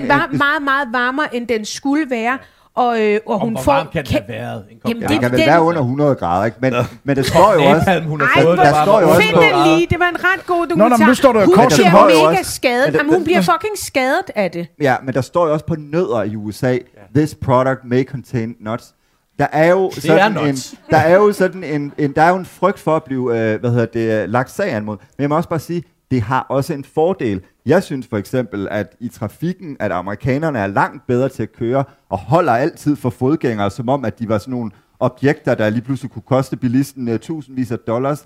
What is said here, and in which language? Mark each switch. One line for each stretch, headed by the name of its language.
Danish: Den var meget, meget varmere, end den skulle være. Og hun hvor får, varm kan den have været? Den kan være under 100 grader, ikke? Men det står jo også... Find den lige. Det var en ret god dokumentar. Nå, nu står der jo hun bliver mega skadet. Hun bliver fucking skadet af det. Ja, men der står jo også på nødder i USA.
English: This product may contain nuts.
Danish: Der er jo en frygt for at blive lagt sag an mod. Men jeg må også bare sige, det har også en fordel. Jeg synes for eksempel, at i trafikken, at amerikanerne er langt bedre til at køre og holder altid for fodgængere, som om at de var sådan nogle objekter, der lige pludselig kunne koste bilisten tusindvis af dollars.